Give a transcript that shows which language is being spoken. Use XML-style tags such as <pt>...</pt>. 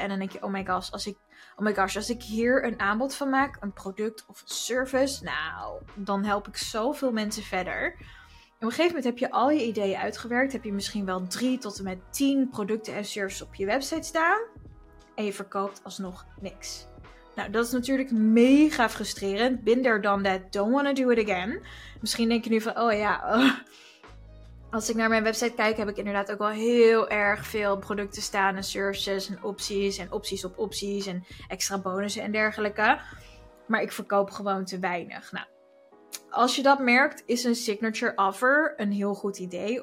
<nl>En dan denk je,</nl> <en>oh my gosh,</en> <nl>als ik hier een aanbod van maak, een product of een service, nou, dan help ik zoveel mensen verder. En op een gegeven moment heb je al je ideeën uitgewerkt, heb je misschien wel 3 tot en met 10 producten en services op je website staan. En je verkoopt alsnog niks. Nou, dat is natuurlijk mega frustrerend.</nl> <en>Been there, done that, don't wanna do it again.</en> <nl>Misschien denk je nu van, Als ik naar mijn website kijk, heb ik inderdaad ook wel heel erg veel producten staan. En services en opties op opties en extra bonussen en dergelijke. Maar ik verkoop gewoon te weinig. Nou, als je dat merkt, is een signature offer een heel goed idee.</nl>